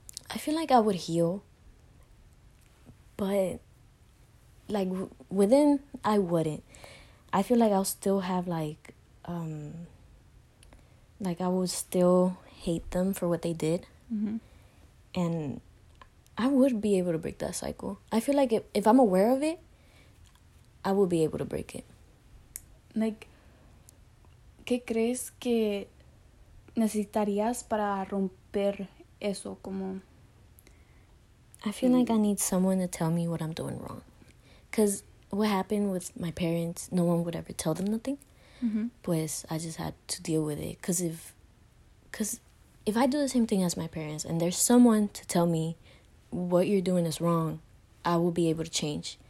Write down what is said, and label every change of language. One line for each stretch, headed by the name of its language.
English: I feel like I would heal. But, like, within, I wouldn't. I feel like I'll still have, like, I would still hate them for what they did. Mm-hmm. And I would be able to break that cycle. I feel like if I'm aware of it, I will be able to break it. Like,
Spanish: ¿qué crees que necesitarías para romper eso? Como,
English: I feel like I need someone to tell me what I'm doing wrong. Because what happened with my parents, no one would ever tell them nothing. Mm-hmm.
Spanish: Pues,
English: I just had to deal with it. Because if I do the same thing as my parents and there's someone to tell me what you're doing is wrong, I will be able to change.